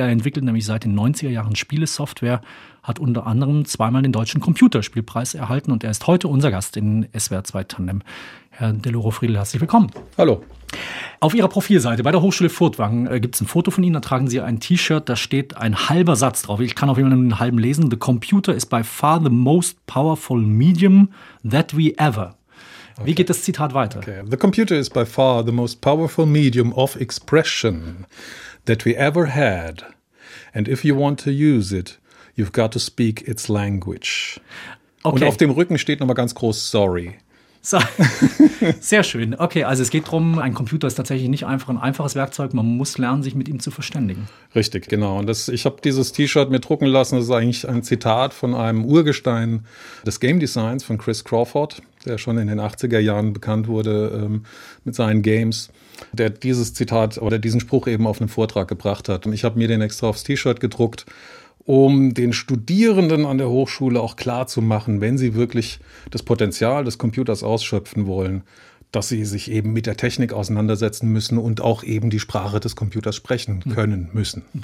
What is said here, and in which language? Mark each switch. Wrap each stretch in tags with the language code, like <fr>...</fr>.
<de>Er entwickelt nämlich seit den 90er Jahren Spielesoftware, hat unter anderem 2-mal den Deutschen Computerspielpreis erhalten und er ist heute unser Gast in SWR 2 Tandem. Herr Deloro-Friedl, herzlich willkommen. Hallo. Auf Ihrer Profilseite bei der Hochschule Furtwangen gibt es ein Foto von Ihnen, da tragen Sie ein T-Shirt, da steht ein halber Satz drauf. Ich kann auf jeden Fall nur einen halben lesen.</de> <en>The computer is by far the most powerful medium that we ever. Okay.</en> <de>Wie geht das Zitat weiter? Okay.</de> <en>The computer is by far the most powerful medium of expression that we ever had. And if you want to use it, you've got to speak its language. Okay.</en> <de>Und auf dem Rücken steht nochmal ganz groß sorry. So. Sehr schön. Okay, also es geht darum, ein Computer ist tatsächlich nicht einfach ein einfaches Werkzeug. Man muss lernen, sich mit ihm zu verständigen. Richtig, genau. Und ich habe dieses T-Shirt mir drucken lassen. Das ist eigentlich ein Zitat von einem Urgestein des Game Designs von Chris Crawford, der schon in den 80er Jahren bekannt wurde mit seinen Games, der dieses Zitat oder diesen Spruch eben auf einen Vortrag gebracht hat. Und ich habe mir den extra aufs T-Shirt gedruckt, um den Studierenden an der Hochschule auch klar zu machen, wenn sie wirklich das Potenzial des Computers ausschöpfen wollen, dass sie sich eben mit der Technik auseinandersetzen müssen und auch eben die Sprache des Computers sprechen können müssen.</de>